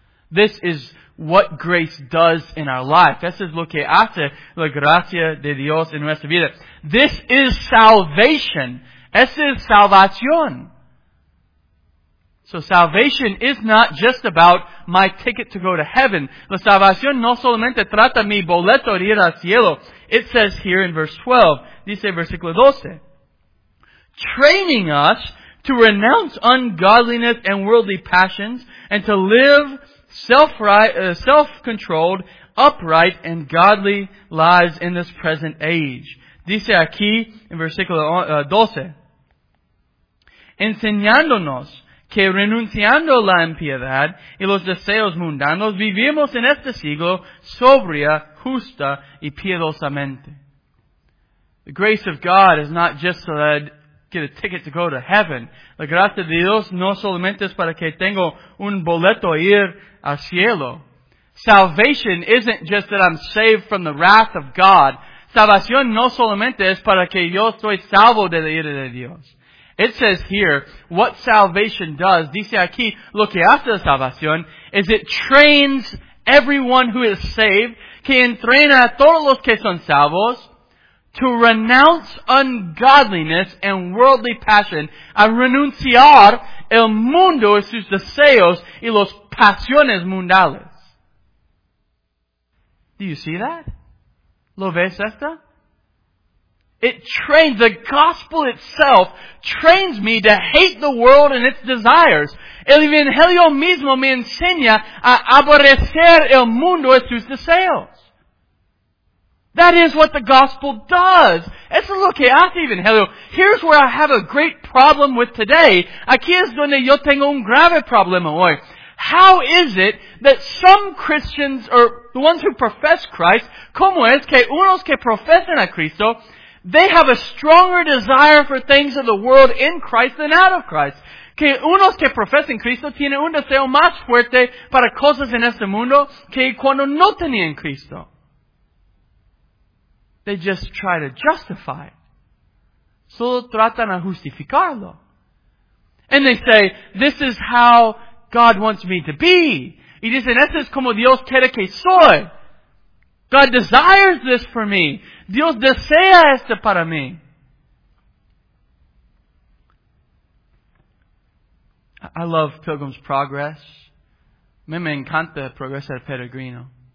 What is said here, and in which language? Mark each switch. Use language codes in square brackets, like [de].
[en] This is what grace does in our life. This is [es] lo que hace la gracia de Dios en nuestra vida. [en] This is salvation. [es] Esa es salvación. [en] So salvation is not just about my ticket to go to heaven. [es] La salvación no solamente trata mi boleto de ir al cielo. [en] It says here in verse 12, [es] dice versículo 12, [en] training us to renounce ungodliness and worldly passions and to live self-controlled, upright, and godly lives in this present age. [es] Dice aquí, en versículo 12, enseñándonos que renunciando la impiedad y los deseos mundanos, vivimos en este siglo sobria, justa, y piedosamente. [en] The grace of God is not just so that I'd get a ticket to go to heaven. [es] La gracia de Dios no solamente es para que tengo un boleto a ir a cielo. [en] Salvation isn't just that I'm saved from the wrath of God. [es] Salvación no solamente es para que yo soy salvo de la ira de Dios. [en] It says here, what salvation does, [es] dice aquí, lo que hace la salvación, [en] is it trains everyone who is saved, [es] que entrena a todos los que son salvos, [en] to renounce ungodliness and worldly passion, [es] a renunciar el mundo y sus deseos y los pasiones mundales. [en] Do you see that? [es] ¿Lo ves esta? [en] It trains, the gospel itself trains me to hate the world and its desires. [es] El evangelio mismo me enseña a aborrecer el mundo y sus deseos. [en] That is what the gospel does. [es] Eso es lo que hace el evangelio. [en] Here's where I have a great problem with today. [es] Aquí es donde yo tengo un grave problema hoy. [en] How is it that some Christians, or the ones who profess Christ, [es] como es que unos que profesan a Cristo, [en] they have a stronger desire for things of the world in Christ than out of Christ? [es] Que unos que profesan Cristo tienen un deseo más fuerte para cosas en este mundo que cuando no tenían Cristo. [en] They just try to justify it. [es] Solo tratan a justificarlo. [en] And they say, this is how God wants me to be. [es] Y dicen, esto es como Dios quiere que soy. [en] God desires this for me. [es] Dios desea esto para mí. [en] I love Pilgrim's Progress. [es] Me encanta Progreso del Peregrino.